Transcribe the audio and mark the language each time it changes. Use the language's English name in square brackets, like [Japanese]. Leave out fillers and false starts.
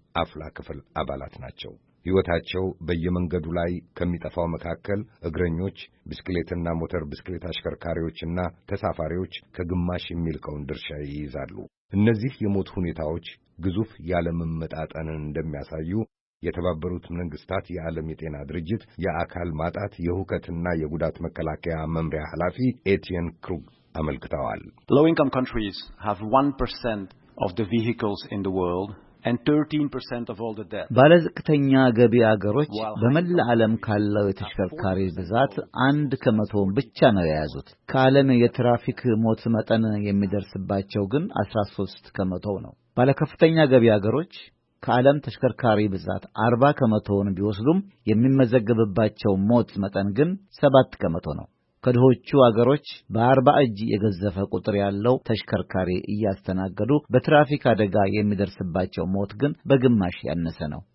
[Amharic] አፍላ ክፍል አባላት ናቸው። ሕይወታቸው በየመንገዱ ላይ ከሚጠፋው መካከል እግረኞች፣ ብስክሌትና ሞተር ብስክሌት አሽከርካሪዎችና ተሳፋሪዎች ከግማሽ የሚልቀውን ድርሻ ይይዛሉ። እነዚህ የሞት ሁኔታዎች ግዙፍ ያለመመጣጠንን እንደሚያሳዩ የተባበሩት መንግስታት የዓለም የጤና ድርጅት የአካል ማጣት የሁከትና የጉዳት መከላከያ መምሪያ ኃላፊ ኤቲየን ክሩግ አመልክተዋል። [English] Low income countries have 1% of the vehicles in the world and 13% of all the deaths. [Amharic] ባለዝቅተኛ ገቢ አገሮች በመላ ዓለም ካለው የተሽከርካሪ ብዛት 1% ብቻ ነው የያዙት። ከዓለም የትራፊክ ሞት መጠን የሚደርስባቸው ግን 13% ነው። ባለከፍተኛ ገቢ አገሮች ከዓለም ተሽከርካሪ ብዛት 40% ቢወስዱም የሚመዘገብባቸው ሞት መጠን ግን 7% ነው። ከድሆቹ አገሮች በ40 እጅ የገዘፈ ቁጥር ያለው ተሽከርካሪ እያስተናገዱ በትራፊክ አደጋ የሚደርስባቸው ሞት ግን በግማሽ ያነሰ ነው።